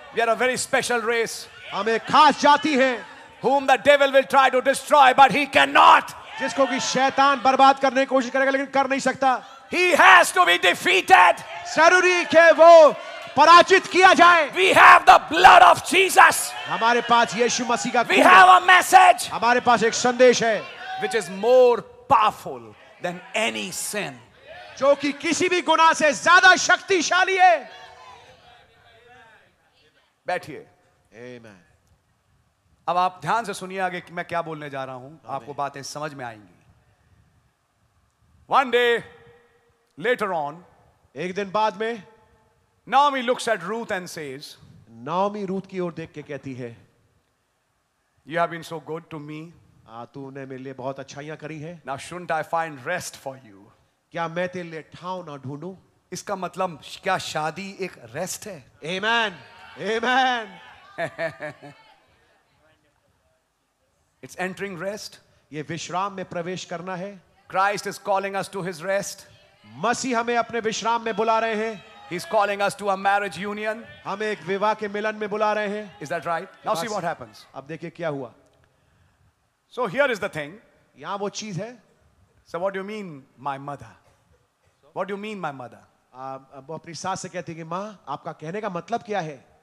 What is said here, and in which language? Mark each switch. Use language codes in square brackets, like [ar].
[en] We are a very special race. [hi] हम एक खास जाति हैं. [en] Whom the devil will try to destroy, but he cannot. [hi] जिसको कि शैतान बर्बाद करने की कोशिश करेगा लेकिन कर नहीं सकता. [en] He has to be defeated. [hi] जरूरी है वो पराजित किया जाए. [en] We have the blood of Jesus. [hi] हमारे पास यीशु मसीह का. [en] We have a message. [hi] हमारे पास एक संदेश है. [en] Which is more powerful than any sin. [hi] जो कि किसी भी गुनाह से ज्यादा शक्तिशाली है. बैठिए. Amen. अब आप ध्यान से सुनिए आगे कि मैं क्या बोलने जा रहा हूं. आपको बातें समझ में आएंगी. [en] One day later on, [hi] एक दिन बाद में, [en] Naomi looks at Ruth and says, [hi] Naomi Ruth की ओर देख के कहती है, [en] you have been so good to me, [hi] तूने मेरे लिए बहुत अच्छाइयां करी हैं, [en] now shouldn't I find rest for you, [hi] क्या मैं तेरे लिए ठाव ना ढूंढूं? इसका मतलब क्या शादी एक रेस्ट है? आमेन, आमेन, [en] it's entering rest, [hi] ये विश्राम में प्रवेश करना है. [en] Christ is calling us to his rest, [hi] मसीह हमें अपने विश्राम में बुला रहे हैं. [en] He's calling us to a marriage union. [hi] हम एक विवाह के मिलन में बुला रहे हैं. [en] Is that right? Now see what happens. [hi] अब देखिए क्या हुआ. [en] So here is the thing. [hi] यहाँ वो चीज है. [en] So what do you mean, my mother? What do you mean, my mother? [hi] वो अपनी सास से कहती है, माँ आपका कहने का मतलब क्या है?